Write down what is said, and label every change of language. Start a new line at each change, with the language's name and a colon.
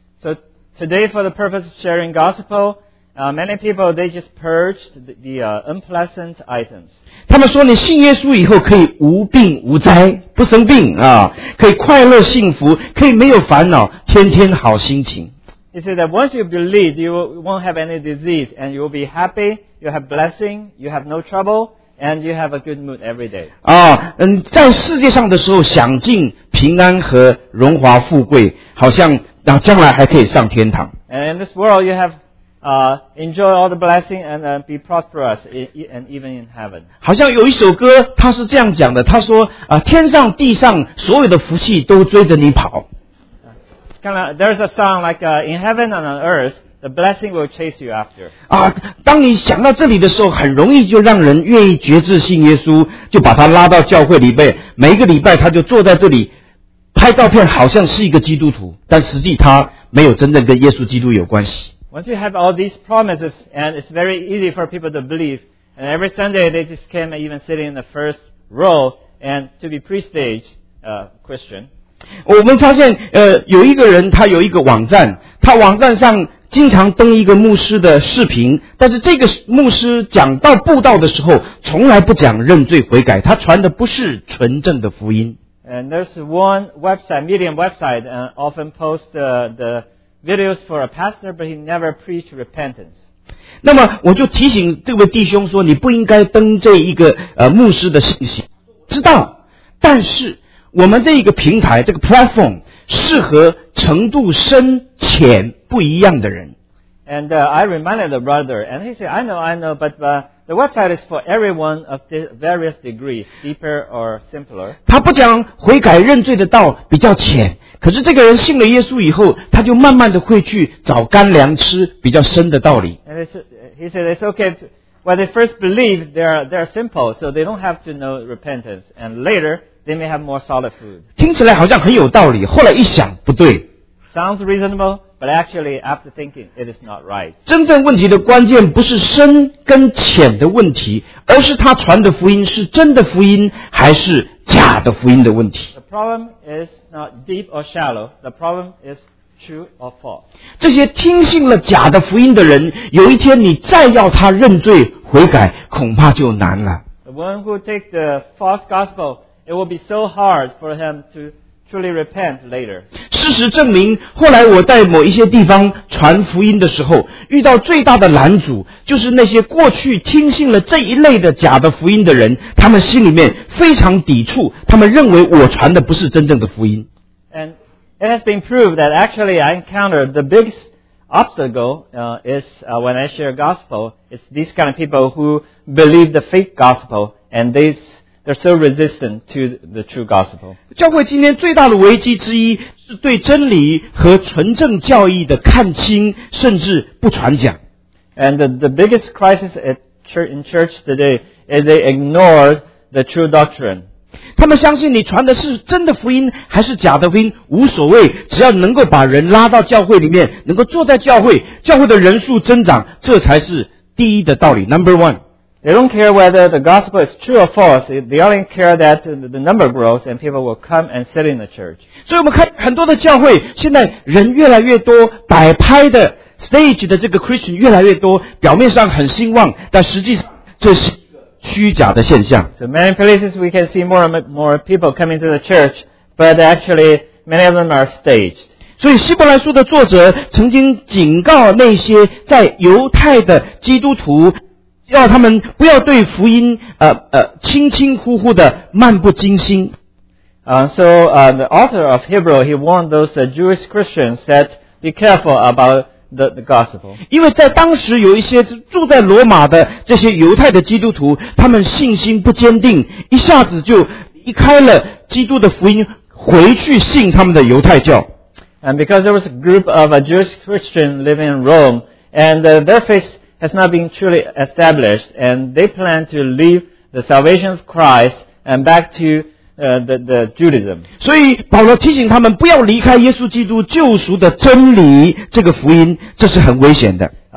English: So today, for the purpose of sharing gospel, many people, they just purged the unpleasant items.
Chinese: 他们说你信耶稣以后可以无病无灾，不生病啊，可以快乐幸福，可以没有烦恼，天天好心情。
English: He said that once you believe, you won't have any disease, and you will be happy, you have blessing, you have no trouble, and you have a good mood every day.
Chinese: 在世界上的时候享尽平安和荣华富贵，好像将来还可以上天堂。
English: And in this world, you have enjoy all the blessing and be prosperous, and even in heaven.
Chinese: 好像有一首歌，他是这样讲的，他说天上地上所有的福气都追着你跑。
English: Kind of, there's a song like, in heaven and on earth, the blessing will chase you after.
Chinese: 当你想到这里的时候，很容易就让人愿意决志信耶稣，就把他拉到教会里面，每一个礼拜他就坐在这里拍照片，好像是一个基督徒，但实际他没有真正跟耶稣基督有关系。
English: Once you have all these promises, and it's very easy for people to believe, and every Sunday they just came even sitting in the first row, and to be pre-staged, Christian.
Chinese: 我们发现有一个人，他有一个网站，他网站上经常登一个牧师的视频，但是这个牧师讲到布道的时候从来不讲认罪悔改，他传的不是纯正的福音。
English: And there's one website, medium website, and often post the videos for a pastor, but he never preached repentance.
Chinese: 那么我就提醒这位弟兄说，你不应该登这一个牧师的信息，知道，但是我们这一个平台，这个 platform 适合程度深浅不一样的人。
English: And I reminded the brother, and he said, I know, but the website is for everyone of various degrees, deeper or simpler.
Chinese: 他不讲悔改认罪的道比较浅，可是这个人信了耶稣以后，他就慢慢的会去找干粮吃，比较深的道理。
English: And he said, it's okay. When they first believe, they're simple, so they don't have to know repentance. And later,They may have more solid food.
Chinese: 听起来好像很有道理，后来一想不对。
English: Sounds reasonable, but actually after thinking, it is not right.
Chinese: 真正问题的关键不是深跟浅的问题，而是他传的福音是真的福音还是假的福音的问题。
English: The problem is not deep or shallow. The problem is true or false.
Chinese: 这些听信了假的福音的人，有一天你再要他认罪悔改，恐怕就难了。
English: The one who takes the false gospel.It will be so hard for him to truly repent later.
Chinese: 是实证明，后来我在某一些地方传福音的时候，遇到最大的拦阻，就是那些过去听信了这一类的假的福音的人，他们心里面非常抵触，他们认为我传的不是真正的福音。
English: And it has been proved that actually I encountered the biggest obstacle when I share gospel. It's these kind of people who believe the fake gospel, and they're so resistant to the true gospel.
Chinese: 教会今天最大的危机之一是对真理和纯正教义的看轻，甚至不传讲。
English: And the biggest crisis in church today is they ignore the true doctrine.
Chinese: 他们相信你传的是真的福音还是假的福音无所谓，只要能够把人拉到教会里面，能够坐在教会，教会的人数增长，这才是第一的道理 ，
English: Number one. They don't care whether the gospel is true or false. They only care that the number grows and people will come and sit in the church.
Chinese: 所以我们看很多的教会，现在人越来越多，摆拍的 stage 的这个 Christian 越来越多，表面上很兴旺，但实际上这是虚假的现象。
English: So many places we can see more and more people coming to the church, but actually many of them are staged.
Chinese: 所以希伯来书的作者曾经警告那些在犹太的基督徒，要他们不要对福音轻轻忽忽的漫不经心。
English: The author of Hebrew, he warned those Jewish Christians that be careful about the gospel.
Chinese: 因为在当时有一些住在罗马的这些犹太的基督徒，他们信心不坚定，一下子就离开了基督的福音，回去信他们的犹太教。
English: And because there was a group of a Jewish Christian living in Rome, and their faith has not been truly established, and they plan to leave the salvation of Christ and back to the Judaism.
Chinese: 所以保罗提醒他们不要离开耶稣基督救赎的真理，这个福音，这是很危险的。